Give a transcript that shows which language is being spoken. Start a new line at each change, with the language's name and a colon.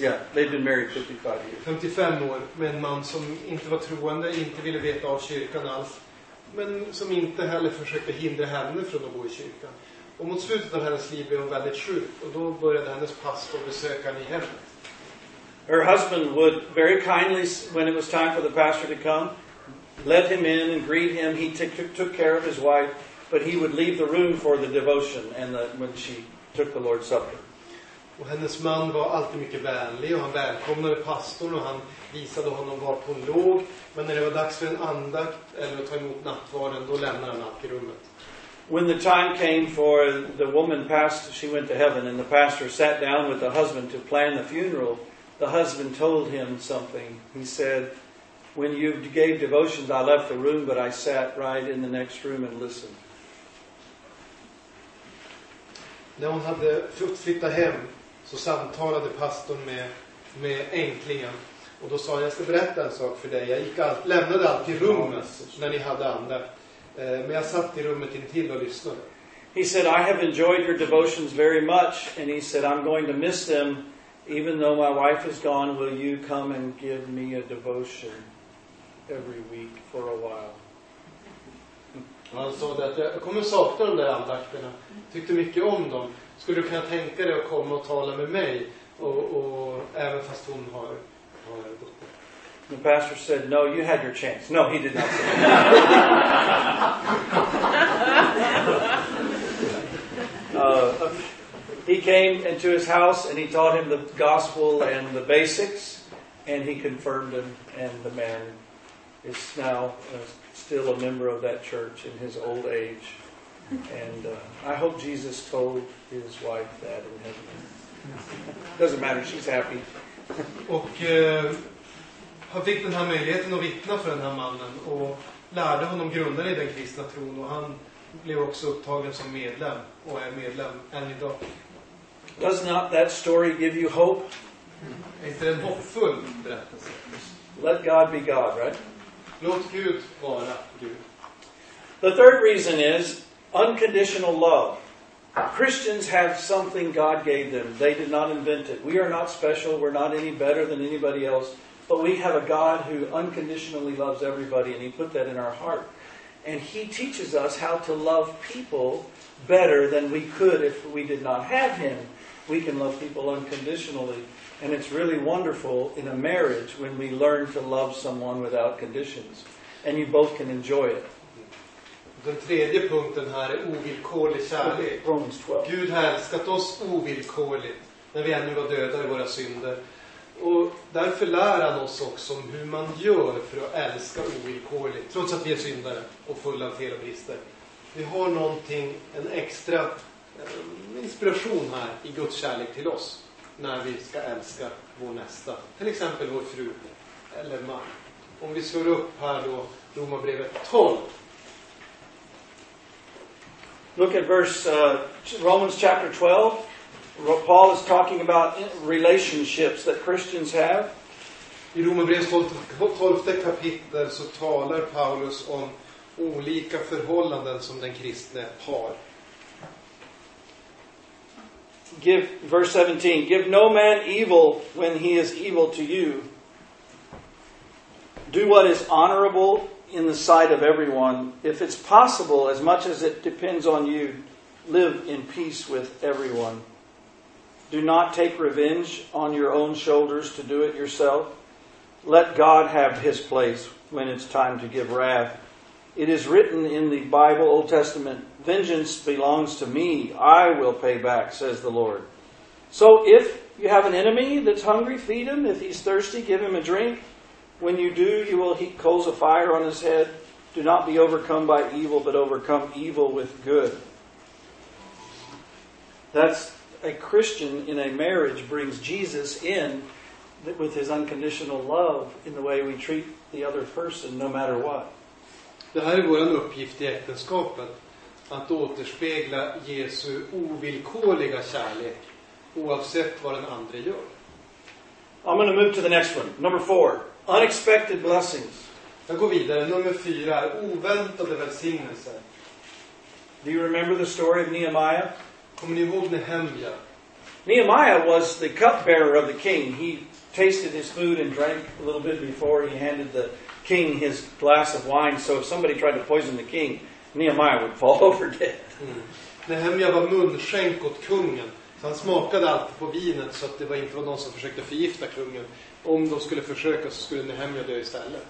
English: Yeah, they've been married 55 years.
Swedish: 55 år med en man som inte var troende, inte ville veta av kyrkan alls, men som inte heller försökte hindra henne från att gå i kyrkan. Och mot slutet av hennes liv blev hon väldigt sjuk, och då började hennes pastor besöka henne i hemmet.
English: Her husband would very kindly, when it was time for the pastor to come, let him in and greet him. He took care of his wife, but he would leave the room for the devotion and when she took the Lord's Supper.
Swedish: Och hennes man var alltid mycket vänlig, och han välkomnade pastorn, och han visade honom var hon låg. Men när det var dags för en andakt eller att ta emot nattvarden, då lämnade han upp i rummet.
English: When the time came for the woman passed, she went to heaven, and the pastor sat down with the husband to plan the funeral. The husband told him something. He said, when you gave devotions, I left the room, but I sat right in the next room and listened.
Swedish: När hon hade fått flytta hem, så samtalade pastorn med änklingen. Och då sa han, jag ska berätta en sak för dig. Jag lämnade allt i rummet när ni hade andra. Men jag satt i rummet intill och lyssnade.
English: He said, I have enjoyed your devotions very much. And he said, I'm going to miss them. Even though my wife is gone, will you come and give me a devotion every week for a while?
Swedish: Han sa att jag kommer sakna de där andakterna. Tyckte mycket om dem. Skulle du kunna tänka dig att komma och tala med mig? Och även fast hon har gått.
English: The pastor said, no, you had your chance. No, he did not say that. He came into his house and he taught him the gospel and the basics, and he confirmed him, and the man is now still a member of that church in his old age. And I hope Jesus told his wife that in heaven. Doesn't matter, she's happy.
Swedish: Och han fick den här möjligheten att vittna för den här mannen och lärde honom grunderna i den kristna tron, och han blev också upptagen som medlem och är medlem än idag.
English: Does not that story give you hope?
Swedish: Inte en hoppfull berättelse.
English: Let God be God, right?
Swedish: Låt Gud vara Gud.
English: The third reason is unconditional love. Christians have something God gave them. They did not invent it. We are not special. We're not any better than anybody else. But we have a God who unconditionally loves everybody, and he put that in our heart. And he teaches us how to love people better than we could if we did not have him. We can love people unconditionally, and it's really wonderful in a marriage when we learn to love someone without conditions, and you both can enjoy it.
Swedish: Den tredje punkten här är ovillkorlig kärlek.
English: Romans 12.
Swedish: Gud har älskat oss ovillkorligt när vi ännu var döda i våra synder, och därför lär han oss också om hur man gör för att älska ovillkorligt, trots att vi är syndare och fulla av fel och brister. Vi har någonting, en extra inspiration här i Guds kärlek till oss när vi ska älska vår nästa, till exempel vår fru eller man. Om vi slår upp här då Romarbrevet 12.
English: Look at verse Romans chapter 12. Paul is talking about relationships that Christians have.
Swedish: I Romarbrevet 12 kapitel så talar Paulus om olika förhållanden som den kristne har.
English: Give verse 17. Give no man evil when he is evil to you. Do what is honorable in the sight of everyone. If it's possible, as much as it depends on you, live in peace with everyone. Do not take revenge on your own shoulders to do it yourself. Let God have his place when it's time to give wrath. It is written in the Bible, Old Testament, vengeance belongs to me. I will pay back, says the Lord. So if you have an enemy that's hungry, feed him. If he's thirsty, give him a drink. When you do, you will heat coals of fire on his head. Do not be overcome by evil, but overcome evil with good. That's a Christian in a marriage brings Jesus in with his unconditional love in the way we treat the other person, no matter what.
Swedish: Det här är vår uppgift i äktenskapet, att återspegla Jesu ovillkorliga kärlek, oavsett vad den andra gör.
English: I'm going to move to the next one, number 4. Unexpected blessings.
Swedish: Jag går vidare. Nummer 4 är oväntade välsignelser.
English: Do you remember the story of Nehemiah?
Swedish: Kommer ni ihåg Nehemia?
English: Nehemiah was the cupbearer of the king. He tasted his food and drank a little bit before he handed the king his glass of wine. So if somebody tried to poison the king, Nehemiah would fall over dead.
Swedish: Nehemia var munskänk åt kungen. Så han smakade alltid på vinet så att det var inte någon som försökte förgifta kungen. Om de skulle försöka så skulle Nehemia dö istället.